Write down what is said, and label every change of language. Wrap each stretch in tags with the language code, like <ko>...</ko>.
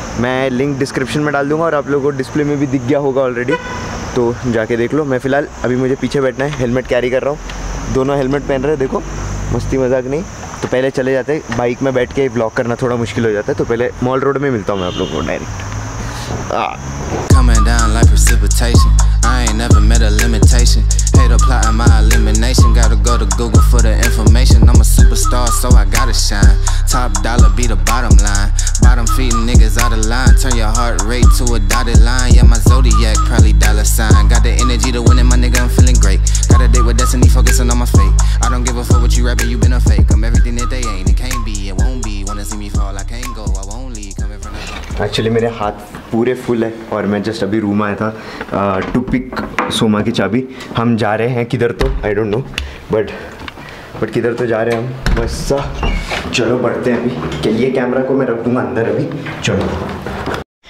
<hi>मैं link description में डाल दूंगा और आप लोगों को डिस्प्ले में भी दिख गया होगा ऑलरेडी, तो जाके देख लो। मैं फ़िलहाल अभी मुझे पीछे बैठना है, हेलमेट कैरी कर रहा हूँ, दोनों हेलमेट पहन रहे, देखो मस्ती मजाक नहीं। तो पहले चले जाते हैं, बाइक में बैठ के ब्लॉक करना थोड़ा मुश्किल हो जाता है, तो पहले मॉल रोड में मिलता हूँ मैं आप लोगों को direct.</hi> <en>Coming down like precipitation, I ain't never met a limitation, hate applying my elimination, gotta go to Google for the information, I'm a superstar so I gotta shine, top dollar be the bottom line, bottom feeding niggas out of line, turn your heart rate to a dotted line, yeah my zodiac probably dollar sign, got the energy to win it my nigga I'm feeling great, got a date with destiny focusing on my fate, I don't give a fuck what you rapping you been a fake, I'm everything that they ain't, it can't be, it won't be, wanna see me fall I can't go, I won't leave.</en> <hi>Actually मेरे हाथ पूरे full है और मैं just अभी room आया था</hi> <en>to pick</en> <hi>Soma की चाबी। हम जा रहे हैं किधर तो</hi> <en>I don't know,</en> <hi>बट किधर तो जा रहे हैं हम, बस चलो बढ़ते हैं अभी। चलिए कैमरा को मैं रख दूंगा अंदर अभी, चलो।</hi>